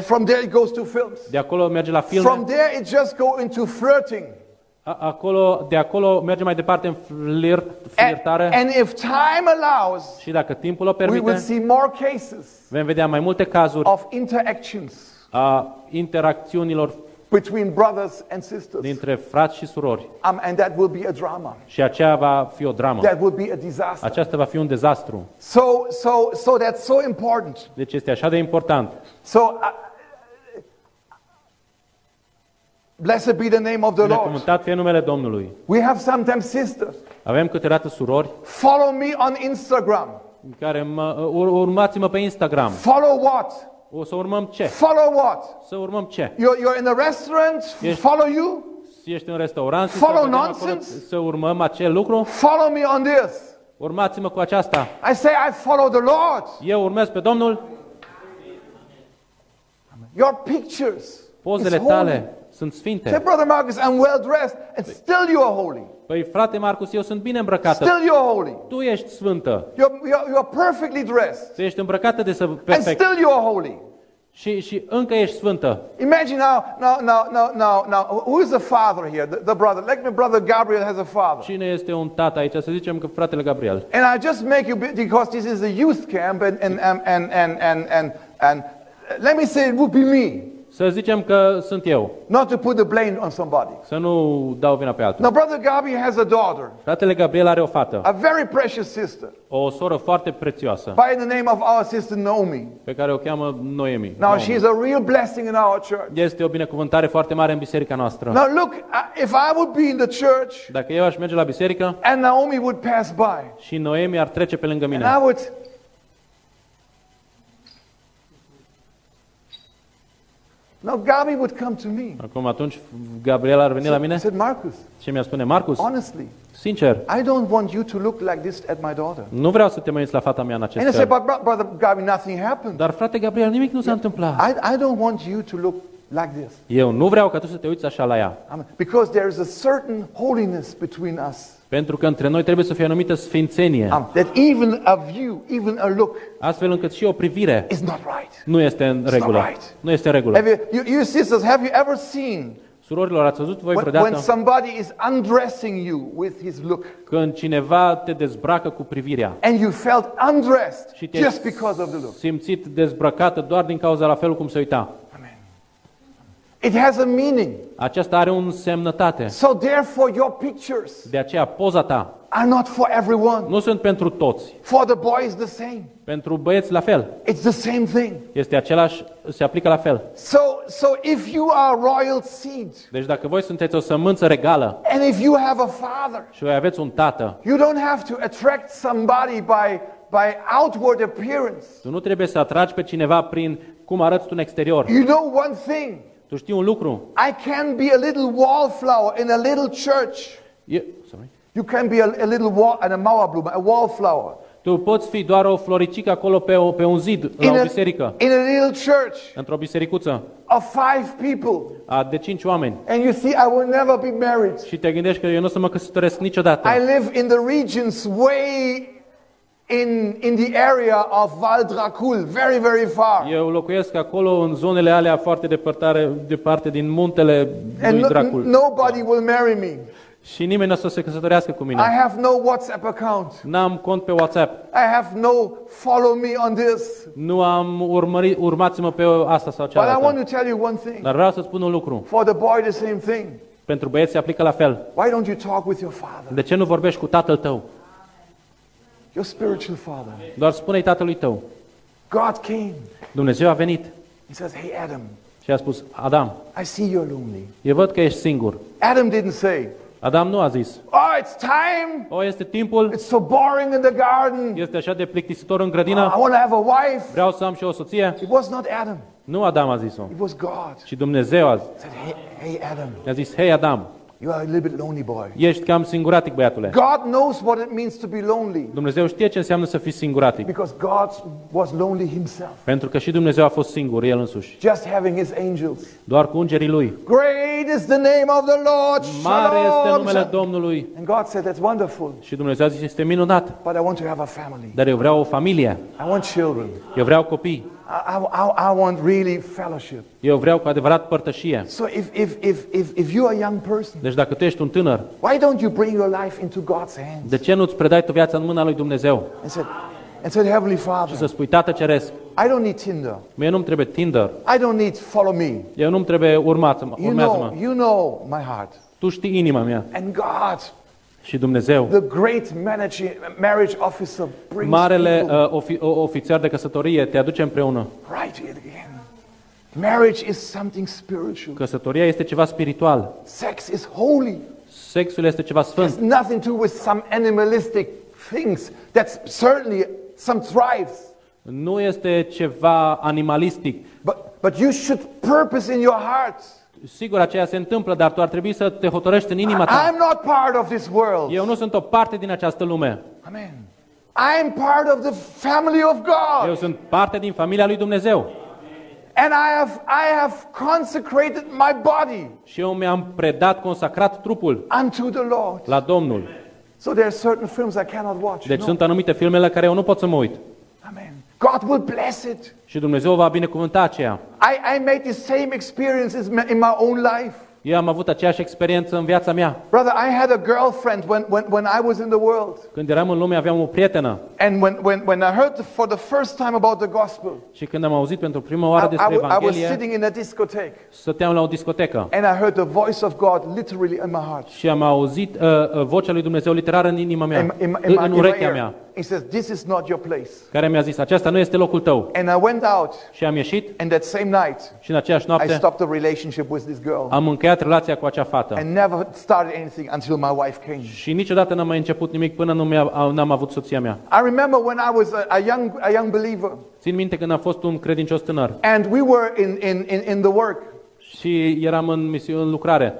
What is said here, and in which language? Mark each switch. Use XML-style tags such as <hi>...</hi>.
<en>From there it goes to films.</en> <ro>De acolo merge la filme.</ro> <en>From there it just go into flirting.</en> <ro>De acolo merge mai departe în flirtare.</ro> <en>And if time allows.</en> <ro>Și dacă timpul o permite.</ro> <en>We will see more cases.</en> <ro>Vom vedea mai multe cazuri.</ro> <en>Of interactions.</en> <ro>A interacțiunilor</ro> <en>between brothers and sisters.</en> <ro>Dintre frați și surori.</ro> <en>And that will be a drama.</en> <ro>Și aceea va fi o dramă.</ro> <en>That will be a disaster.</en> <ro>Aceasta va fi un dezastru.</ro> <en>So that's so important.</en> <ro>Deci este așa de important.</ro> <en>So blessed be the name of the Lord.</en> <ro>Binecuvântat fie numele Domnului.</ro> <en>We have sometimes sisters.</en> <ro>Avem câteodată surori.</ro> <en>Follow me on Instagram.</en> <ro>Care urmați-mă pe Instagram.</ro> <en>Follow what?</en> <ro>O să urmăm ce?</ro> <en>Follow what?</en> <ro>Să urmăm ce?</ro> <en>You're in a restaurant, follow you?</en> <ro>Ești în restaurant,</ro> <en>follow nonsense?</en> <ro>Să urmăm acel lucru?</ro> <en>Follow me on this.</en> <ro>Urmați-mă cu aceasta.</ro> <en>I say I follow the Lord.</en> <ro>Eu urmez pe Domnul.</ro> <en>Your pictures.</en> <ro>Pozele tale sunt sfinte.</ro> <en>Say, brother Marcus, I'm well dressed and still you are holy.</en> <ro>Păi frate Marcus, eu sunt bine îmbrăcată.</ro> <en>Still you are holy.</en> <ro>Tu ești sfântă.</ro> <en>You are perfectly dressed.</en> <ro>Tu ești îmbrăcată de să perfect.</ro> <en>And still you are holy.</en> <ro>Și încă ești sfântă.</ro> <en>Imagine how now who's the father here? The brother. Like my brother Gabriel has a father.</en> <ro>Cine este un tată aici? Să zicem că fratele Gabriel.</ro> <en>And I just make you because this is a youth camp and let me say it would be me.</en> <ro>Să zicem că sunt eu.</ro> <en>Not to put the blame on somebody.</en> <ro>Să nu dau vina pe altul.</ro> <en>Now brother Gabi has a daughter.</en> <ro>Fratele Gabriel are o fată.</ro> <en>A very precious sister.</en> <ro>O soră foarte prețioasă.</ro> <en>By the name of our sister Naomi.</en> <ro>Pe care o cheamă Noemi.</ro> <en>Now she is a real blessing in our church.</en> <ro>Este o binecuvântare foarte mare în biserica noastră.</ro> <en>Now look, if I would be in the church.</en> <ro>Dacă eu aș merge la biserică.</ro> <en>And Naomi would pass by.</en> <ro>Și Noemi ar trece pe lângă mine.</ro> <en>And I would. Now Gabi would come to me.</en> <ro>Acum atunci Gabriel ar veni la mine.</ro> <en>Said Marcus.</en> <ro>Ce mi-a spune Marcus?</ro> <en>Honestly.</en> <ro>Sincer.</ro> <en>I don't want you to look like this at my daughter.</en> <ro>Nu vreau să te mai uiți la fata mea în acest</ro> <en>fel. And I said, but brother Gabi, nothing happened.</en> <ro>Dar frate Gabriel, nimic nu s-a întâmplat.</ro> <en>I don't want you to look like this.</en> <ro>Eu nu vreau ca tu să te uiți așa la ea.</ro> <en>Because there is a certain holiness between us.</en> <ro>Pentru că între noi trebuie să fie anumită sfințenie.</ro> <en>That even a view, even a look.</en> <ro>Astfel încât și o privire.</ro> <en>Is not right.</en> <ro>Nu este în regulă.</ro> <en>Right.</en> <ro>Nu este în regulă.</ro> <en>You sisters, have you ever seen?</en> <ro>Surorilor, ați văzut voi vreodată?</ro> <en>When somebody is undressing you with his look.</en> <ro>Când cineva te dezbracă cu privirea.</ro> <en>And you felt undressed just because of the look.</en> <ro>Simțit dezbrăcată doar din cauza la felul cum se uita.</ro> <en>It has a meaning.</en> <ro>Aceasta are o însemnătate.</ro> <en>So therefore your pictures.</en> <ro>De aceea poza ta.</ro> <en>Are not for everyone.</en> <ro>Nu sunt pentru toți.</ro> <en>For the boys the same.</en> <ro>Pentru băieți la fel.</ro> <en>It's the same thing.</en> <ro>Este același, se aplică la fel.</ro> <en>So if you are royal seed.</en> <ro>Deci dacă voi sunteți o sămânță regală.</ro> <en>And if you have a father.</en> <ro>Și voi aveți un tată.</ro> <en>You don't have to attract somebody by outward appearance.</en> <ro>Tu nu trebuie să atragi pe cineva prin cum arăți tu în exterior.</ro> <en>You know one thing.</en> <ro>Tu știi un lucru?</ro> <en>I can be a little wallflower in a little church. You can be a little wall and a</en> <de>mauer blume,</de> <en>a wallflower.</en> <ro>Tu poți fi doar o floricică acolo pe un zid la o biserică.</ro> <en>In a little church.</en> <ro>Într-o bisericuță.</ro> <en>Of 5 people.</en> <ro>A de 5 oameni.</ro> <en>And you see I will never be married.</en> <ro>Și te gândești că eu nu o să mă căsătoresc niciodată.</ro> <en>I live in the regions way in the area of Val Dracul, very very far.</en> <ro>Eu locuiesc acolo în zonele alea foarte depărtare, departe din muntele lui Dracul.</ro> <en>Nobody will marry me.</en> <ro>Și nimeni nu o să se căsătorească cu mine.</ro> <en>I have no WhatsApp account.</en> <ro>N-am cont pe WhatsApp.</ro> <en>I have no follow me on this.</en> <ro>Nu am urmați-mă pe asta sau cealaltă.</ro> <en>But I want to tell you one thing.</en> <ro>Dar vreau să spun un lucru.</ro> <en>For the boy the same thing.</en> <ro>Pentru băieți se aplică la fel.</ro> <en>Why don't you talk with your father?</en> <ro>De ce nu vorbești cu tatăl tău?</ro> <en>Your spiritual father.</en> <ro>Doar spune-i tatălui tău.</ro> <en>God came.</en> <ro>Dumnezeu a venit.</ro> <en>He says, "Hey Adam."</en> <ro>Și a spus: "Adam."</ro> <en>I see you're lonely.</en> <ro>Eu văd că ești singur.</ro> <en>Adam didn't say.</en> <ro>Adam nu a zis.</ro> <en>Oh, it's time.</en> <ro>Oh, este timpul.</ro> <en>It's so boring in the garden.</en> <ro>Este așa de plictisitor în grădină.</ro> <en>I want to have a wife.</en> <ro>Vreau să am și o soție.</ro> <en>It was not Adam.</en> <ro>Nu Adam a zis-o.</ro> <en>It was God.</en> <ro>Și Dumnezeu a zis.</ro> <en>He said, "Hey Adam."</en> <ro>I-a zis: "Hey Adam."</ro> <en>You are a little bit lonely boy.</en> <ro>Ești cam singuratic, băiatule.</ro> <en>God knows what it means to be lonely.</en> <ro>Dumnezeu știe ce înseamnă să fii singuratic.</ro> <en>Because God was lonely himself.</en> <ro>Pentru că și Dumnezeu a fost singur el însuși.</ro> <en>Just having his angels.</en> <ro>Doar cu îngerii lui.</ro> <en>Great is the name of the Lord.</en> <he>Shalom.</he> <ro>Mare este numele Domnului.</ro> <en>And God said that's wonderful.</en> <ro>Și Dumnezeu a zis este minunat.</ro> <en>But I want to have a family.</en> <ro>Dar eu vreau o familie.</ro> <en>I want children.</en> <ro>Eu vreau copii.</ro> <en>I want really fellowship.</en> <ro>Eu vreau cu adevărat părtășie.</ro> <en>So if you are a young person.</en> <ro>Deci dacă tu ești un tânăr.</ro> <en>Why don't you bring your life into God's hands?</en> <ro>De ce nu îți predai tu viața în mâna lui Dumnezeu?</ro> <en>And said Heavenly Father.</en> <ro>Și să spui Tată Ceresc.</ro> <en>I don't need Tinder.</en> <ro>Mie nu-mi trebuie Tinder.</ro> <en>I don't need follow me.</en> <ro>Eu nu-mi trebuie urmați-mă.</ro> <en>You know my heart.</en> <ro>Tu știi inima mea.</ro> <en>And God.</en> <ro>Și Dumnezeu.</ro> <en>The great marriage officer brings.</en> <ro>Marele ofițer de căsătorie te aduce împreună.</ro> <en>Right again. Marriage is something spiritual.</en> <ro>Căsătoria este ceva spiritual.</ro> <en>Sex is holy.</en> <ro>Sexul este ceva sfânt.</ro> <en>It's nothing to do with some animalistic things. That's certainly some thrives.</en> <ro>Nu este ceva animalistic.</ro> <en>But you should purpose in your heart.</en> <ro>Sigur, aceea se întâmplă, dar tu ar trebui să te hotărăști în inima ta.</ro> <en>I'm not part of this world.</en> <ro>Eu nu sunt o parte din această lume.</ro> <en>Amen. I'm part of the family of God.</en> <ro>Eu sunt parte din familia lui Dumnezeu.</ro> <en>And I have consecrated my body.</en> <ro>Și eu mi-am predat, consacrat trupul.</ro> <en>Unto the Lord.</en> <ro>La Domnul.</ro> <en>So there are certain films I cannot watch.</en> <ro>Deci sunt anumite filme la care eu nu pot să mă uit.</ro> <en>Amen. God will bless it.</en> <ro>Și Dumnezeu va binecuvânta aceea.</ro> <en>I made the same experiences in my own life.</en> <ro>Eu am avut aceeași experiență în viața mea.</ro> <en>Brother, I had a girlfriend when I was in the world.</en> <ro>Când eram în lume, aveam o prietenă.</ro> <en>And when I heard for the first time about the gospel.</en> <ro>Și când am auzit pentru prima oară despre evanghelie.</ro> <en>I was sitting in a discotheque.</en> <ro>Stăteam la o discotecă.</ro> <en>And I heard the voice of God literally in my heart.</en> <ro>Și am auzit vocea lui Dumnezeu literar în inima mea, în urechea mea.</ro> <en>He says, "This is not your place."</en> <ro>Care mi-a zis, aceasta nu este locul tău.</ro> <en>And I went out.</en> <ro>Și am ieșit.</ro> <en>And that same night.</en> <ro>Și în aceeași noapte.</ro> <en>I stopped the relationship with this girl.</en> <ro>Am încheiat relația cu acea fată.</ro> <en>And never started anything until my wife came.</en> <ro>Și niciodată n-am mai început nimic până nu n-am avut soția mea.</ro> <en>I remember when I was a young believer.</en> <ro>Țin minte când am fost un credincios tânăr.</ro> <en>And we were in the work.</en> <ro>Și eram în misiune, în lucrare.</ro>